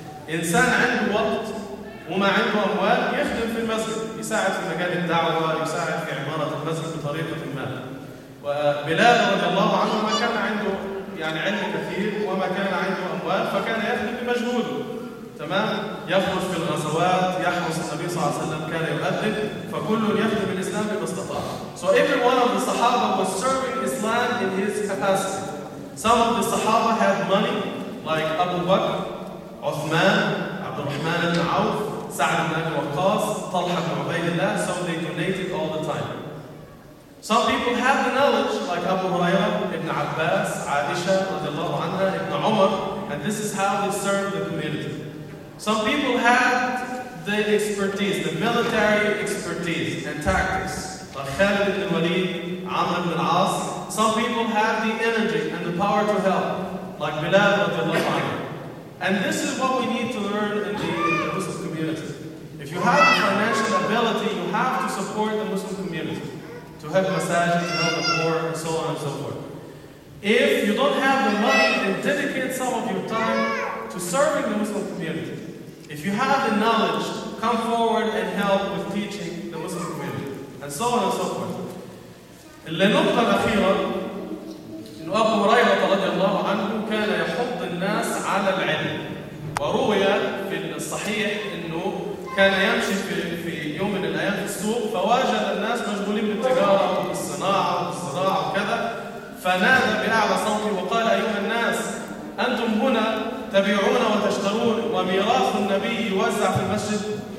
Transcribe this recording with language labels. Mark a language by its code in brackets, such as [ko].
[ar] انسان عنده وقت وما عنده اموال يخدم في المسجد، يساعد في مجال الدعوه، يساعد في عماره المسجد بطريقه ما. وبلال رضي الله عنه ما كان عنده يعني علم كثير وما كان عنده اموال، فكان يخدم بمجهوده. تمام؟ يخرج في الغزوات، يحرس النبي صلى الله عليه وسلم، كان يؤذن، فكل يخدم الاسلام بما استطاع. [en] So every one of the Sahaba was serving Islam in his capacity. Some of the Sahaba had money, like Abu Bakr, Uthman, Abdul Rahman ibn Awf, Sa'd ibn Abi Waqqas, Talha ibn Ubaydillah, so they donated all the time. Some people had the knowledge, like Abu Hurairah, Ibn Abbas, Aisha, radiallahu anha, Ibn Umar, and this is how they served the community. Some people had the expertise, the military expertise and tactics. Like Khalid ibn Walid, Amr ibn al-As. Some people have the energy and the power to help. Like Bilal radiallahu anhu. And this is what we need to learn in the Muslim community. If you have the financial ability, you have to support the Muslim community. To help masajid, to help the poor, and so on and so forth. If you don't have the money, then dedicate some of your time to serving the Muslim community. If you have the knowledge, come forward and help with teaching the Muslim community. And so on and so forth. [ar] النقطة الأخيرة إن أبو هريرة رضي الله عنه كان يحض الناس على العلم. وروي في الصحيح إنه كان يمشي في يوم من الأيام في السوق فواجه الناس مشغولين بالتجارة والصناعة والزراعة وكذا، فنادى بأعلى صوته وقال: أيها الناس، أنتم هنا تبيعون وتشترون وميراث النبي يوزع في المسجد.